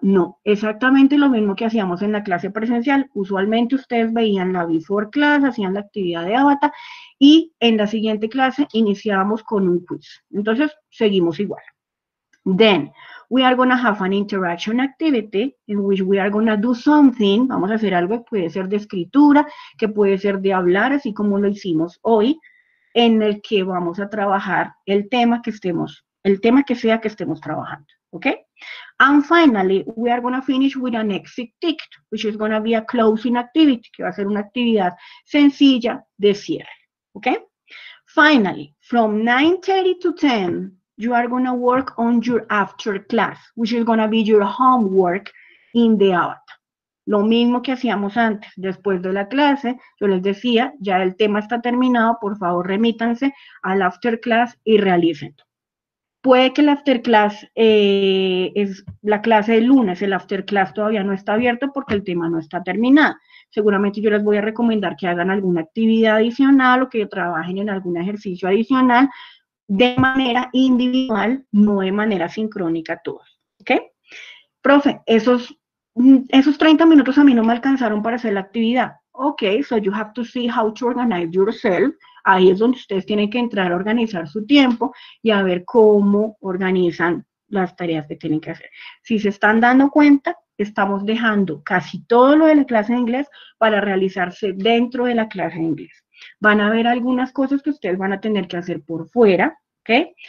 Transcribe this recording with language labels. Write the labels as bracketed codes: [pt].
[es] No, exactamente lo mismo que hacíamos en la clase presencial. Usualmente ustedes veían la before class, hacían la actividad de avatar y en la siguiente clase iniciábamos con un quiz. Entonces, seguimos igual. [en] Then, we are going to have an interaction activity in which we are going to do something. [es] Vamos a hacer algo que puede ser de escritura, que puede ser de hablar, así como lo hicimos hoy, en el que vamos a trabajar el tema que estemos, el tema que sea que estemos trabajando. [en] Okay, and finally, we are going to finish with an exit ticket, which is going to be a closing activity, [es] que va a ser una actividad sencilla de cierre. [en] Okay, finally, from 9:30 to 10, you are going to work on your after class, which is going to be your homework in the avatar. [es] Lo mismo que hacíamos antes, después de la clase, yo les decía, ya el tema está terminado, por favor, remítanse al after class y realícenlo. Puede que el after class, es la clase del lunes, el after class todavía no está abierto porque el tema no está terminado. Seguramente yo les voy a recomendar que hagan alguna actividad adicional o que trabajen en algún ejercicio adicional de manera individual, no de manera sincrónica todos. ¿Ok? Profe, esos 30 minutos a mí no me alcanzaron para hacer la actividad. [en] Ok, so you have to see how to organize yourself. [es] Ahí es donde ustedes tienen que entrar a organizar su tiempo y a ver cómo organizan las tareas que tienen que hacer. Si se están dando cuenta, estamos dejando casi todo lo de la clase de inglés para realizarse dentro de la clase de inglés. Van a haber algunas cosas que ustedes van a tener que hacer por fuera, ¿ok?